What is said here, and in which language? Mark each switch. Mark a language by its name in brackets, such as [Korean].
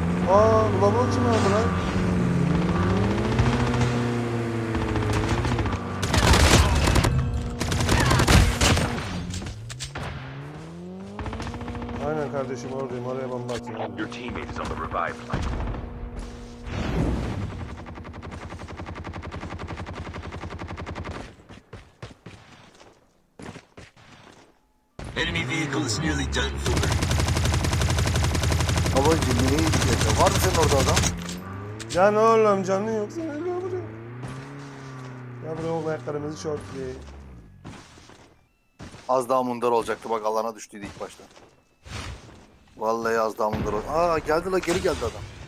[Turkish] Aa, laboratuvar mı abi lan? Aynen kardeşim, oradayım. Araya bomba atayım. [English] Your teammate is on the revive flight. Enemy vehicle is nearly done for. [Turkish] Babacım, neydi? Var mı senin orada adam? Ya ne olur lan, canın yoksa ne oluyor buraya? Ya buraya oğlum, ayaklarımızı çorpleyin. Az daha mundar olacaktı, bak alana düştüydü ilk başta. Vallahi az daha mundar olacaktı. Aa, geldi la, geri geldi adam.